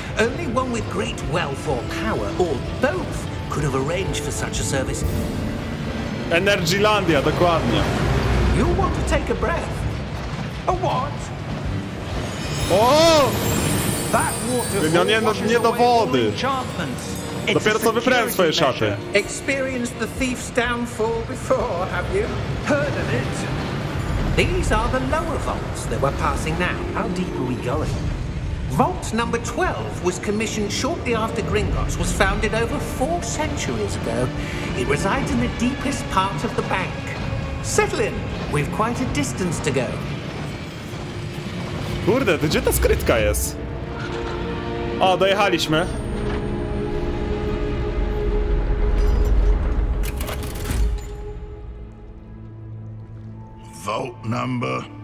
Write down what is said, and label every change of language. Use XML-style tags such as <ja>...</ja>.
<en>Only one with great wealth or power, or both, could have arranged for such a service.</en> <pl>Energylandia, dokładnie.</pl> <en>You want to take a breath? A what? Oh! That water</en> <pl>no, nie do wody. Dopiero co wyprałem swoje szaty.</pl> <en>Experienced the thief's downfall before, have you? Heard of it? These are the lower vaults that we're passing now. How deep are we going? Vault number 12 was commissioned shortly after Gringotts was founded over 4 centuries ago. It resides in the deepest part of the bank. Settle in. We've quite a distance to go.</en> <pl>Kurde, to gdzie ta skrytka jest? O, dojechaliśmy.</pl> <en>Vault number.</en>